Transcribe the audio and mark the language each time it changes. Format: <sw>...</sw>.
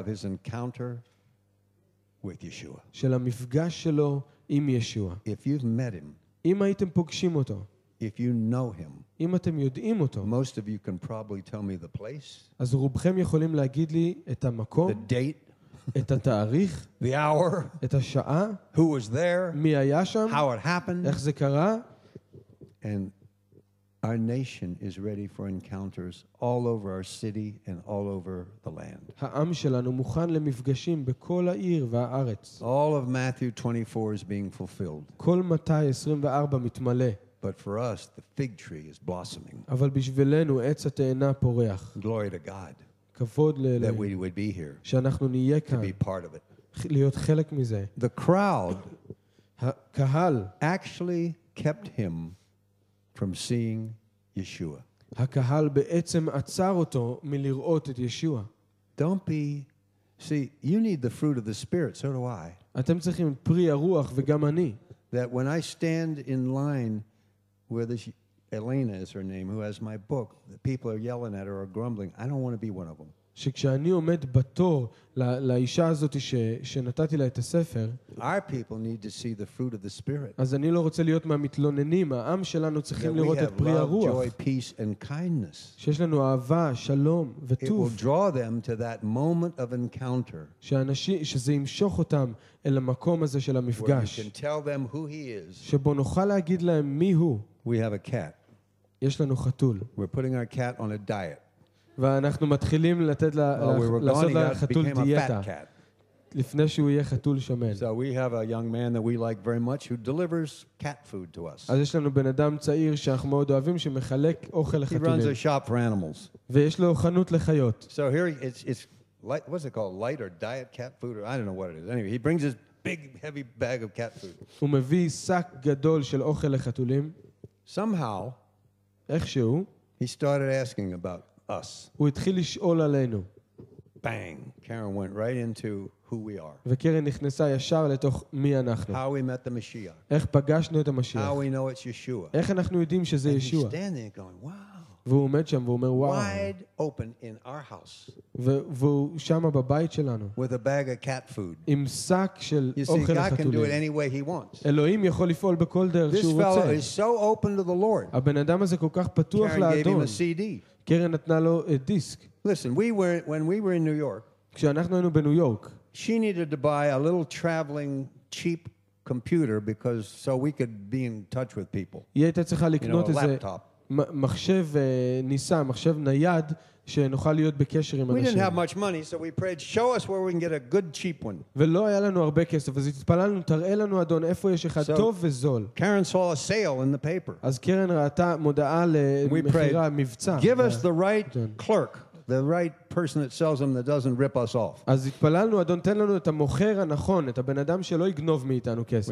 <en>of his encounter with Yeshua.</en> <he>של המפגש שלו עם ישוע.</he> <en>If you've met him,</en> <he>אם הייתם פוגשים אותו,</he> <en>if you know him,</en> <he>אם אתם יודעים אותו,</he> <en>most of you can probably tell me the place,</en> <he>אז רובכם יכולים להגיד לי את המקום,</he> <en>the date,</en> <he>את התאריך,</he> <en>the hour,</en> <he>את השעה,</he> <en>who was there,</en> <he>מי היה שם,</he> <en>how it happened,</en> <he>איך זה קרה.</he> <en>And our nation is ready for encounters all over our city and all over the land.</en> <he>העם שלנו מוכן למפגשים בכל העיר והארץ.</he> <en>All of Matthew 24 is being fulfilled.</en> <he>כל מתי 24 מתמלא.</he> <en>But for us the fig tree is blossoming.</en> <he>אבל בשבילנו עץ התאנה פורח.</he> <en>Glory to God.</en> <he>כבוד לאל.</he> <en>That we would be here.</en> <he>שאנחנו נהיה כאן.</he> <en>To be part of it.</en> <he>להיות חלק מזה.</he> <en>The crowd</en> <he>הקהל</he> <en>actually kept him from seeing Yeshua.</en> <he>הקהל בעצם עצר אותו מלראות את ישוע.</he> <en>Don't be see you need the fruit of the spirit so do I.</en> <he>אתם צריכים פרי הרוח וגם אני.</he> <en>That when I stand in line where this Elena is her name who has my book the people are yelling at her or grumbling I don't want to be one of them.</en> <he>שכשאני עומד בתור לאישה הזאת שנתתי לה את הספר,</he> <en>our people need to see the fruit of the spirit.</en> <he>אז אני לא רוצה להיות מהמתלוננים. העם שלנו צריכים לראות את פרי הרוח.</he> <en>Joy, peace and kindness.</en> <he>שיש לנו אהבה, שלום וטוב.</he> <en>It will draw them to that moment of encounter.</en> <he>שזה ימשוך אותם אל המקום הזה של המפגש.</he> <en>Where we can tell them who he is.</en> <he>שבו נוכל להגיד להם מי הוא.</he> <en>We have a cat.</en> <he>יש לנו חתול.</he> <en>We're putting our cat on a diet.</en> <he>ואנחנו מתחילים לתת לעשות לחתול דיאטה לפני שהוא יהיה חתול שמן.</he> <en>So we have a young man that we like very much who delivers cat food to us.</en> <he>אז יש לנו בן אדם צעיר שאנחנו מאוד אוהבים שמחלק אוכל לחתולים.</he> <en>He runs a shop for animals.</en> <he>ויש לו חנות לחיות.</he> <en>So here it's like what's it called light or diet cat food or I don't know what it is. Anyway, he brings this big heavy bag of cat food.</en> <he>הוא מביא שק גדול של אוכל לחתולים.</he> <en>Somehow</en> <he>איכשהו</he> <en>he started asking about us.</en> <he>הוא התחיל לשאול עלינו.</he> <en>Bang. Karen went right into who we are.</en> <he>וקרן נכנסה ישר לתוך מי אנחנו.</he> <en>How we met the Messiah.</en> <he>איך פגשנו את המשיח.</he> <en>How we know it's Yeshua.</en> <he>איך אנחנו יודעים שזה ישוע.</he> <en>And he's standing there going, wow.</en> <he>והוא עומד שם ואומר, וואו.</he> <en>Wide open in our house.</en> <he>והוא שם בבית שלנו.</he> <en>With a bag of cat food.</en> <he>עם שק של אוכל חתולים.</he> <en>You see, God can do it any way he wants.</en> <he>אלוהים יכול לפעול בכל דרך שהוא רוצה.</he> <en>This fellow is so open to the Lord.</en> <he>הבן אדם הזה כל כך פתוח לאדון.</he> <en>Karen gave him a CD.</en> <he>קרן נתנה לו דיסק.</he> <en>Listen, when we were in New York,</en> <he>כשאנחנו היינו בניו יורק,</he> <en>she needed to buy a little traveling cheap computer because so we could be in touch with people.</en> <he>היא הייתה צריכה לקנות איזה לפטופ, מחשב ניסה, מחשב נייד שנוכל להיות בקשר עם אנשים.</he> <en>We didn't have much money, so we prayed, show us where we can get a good cheap one.</en> <he>ולא היה לנו הרבה כסף, אז התפללנו, תראה לנו אדון איפה יש אחד טוב וזול.</he> <en>Karen saw a sale in the paper.</en> <he>אז קרן ראתה מודעה למכירה, מבצע.</he> <en>Give us the right clerk, the right person that sells them that doesn't rip us off.</en> <he>אז התפללנו, אדון, תן לנו את המוכר הנכון, את הבן אדם שלא יגנוב מאיתנו כסף.</he>